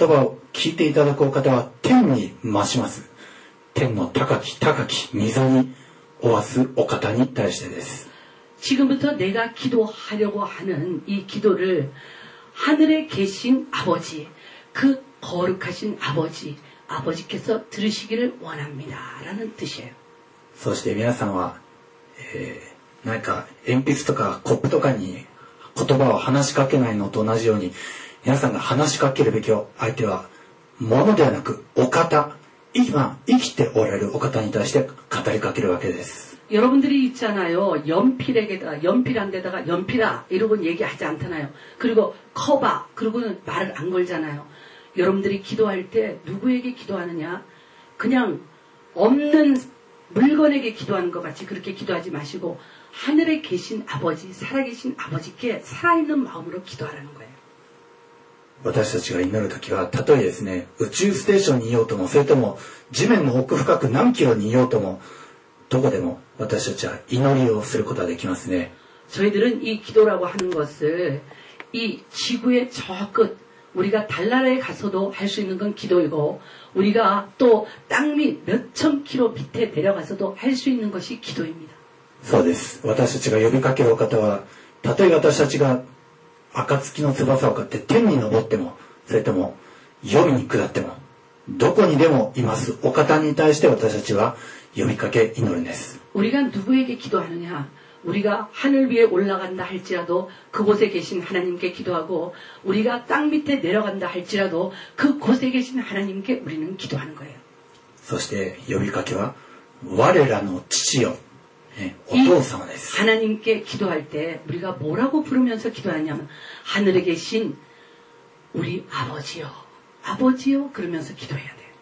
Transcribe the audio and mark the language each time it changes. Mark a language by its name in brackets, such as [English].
[Japanese] これから祈ろうとして、そして言葉を聞いていただく方は天に増します。天の高き高き溝におわすお方に対してです。 [Korean] 지금부터 내가 기도하려고 하는 이 기도를 하늘에 계신 아버지, 그 거룩하신 아버지, 아버지께서 들으시기를 원합니다라는 뜻이에요. [Japanese] そして皆さんは、なんか鉛筆とかコップとかに言葉を話しかけないのと同じように、皆さんが話しかけるべきを相手は物ではなくお方、今生きておられるお方に対して語りかけるわけです。 [Korean] 여러분들이 있잖아요. 연필에게다가 연필한데다가 연필아 이러고 얘기하지 않잖아요. 그리고 커봐 그러고는 말을 안 걸잖아요. 여러분들이 기도할 때 누구에게 기도하느냐? 그냥 없는 물건에게 기도하는 것 같이 그렇게 기도하지 마시고 하늘에 계신 아버지, 살아계신 아버지께 살아있는 마음으로 기도하라는 거예요. [Japanese] 私たちが祈る時は、たとえですね、宇宙ステーションにいようとも、それとも地面の奥深く何キロにいようとも、どこでも私たちは祈りをすることができますね。 [Korean] 저희들은 이 기도라고 하는 것을 이 지구의 저 끝, 우리가 달나라에 가서도 할 수 있는 건 기도이고, 우리가 또 땅 밑 몇천 킬로 밑에 내려가서도 할 수 있는 것이 기도입니다. [Japanese] そうです。私たちが呼びかける方は、たとえ私たちが 暁の翼を買って天に登っても、それとも夜に下っても、どこにでもいますお方に対して私たちは呼びかけ祈るんです。 [Korean] 우리가 누구에게 기도하느냐? 우리가 하늘 위에 올라간다 할지라도 그곳에 계신 하나님께 기도하고, 우리가 땅 밑에 내려간다 할지라도 그곳에 계신 하나님께 우리는 기도하는 거예요. [Japanese] そして呼びかけは我らの父よ、お父様です。 [Korean] 하나님께 기도할 때 우리가 뭐라고 부르면서 기도하냐면 하늘에 계신 우리 아버지요, 아버지요 그러면서 기도해야 돼.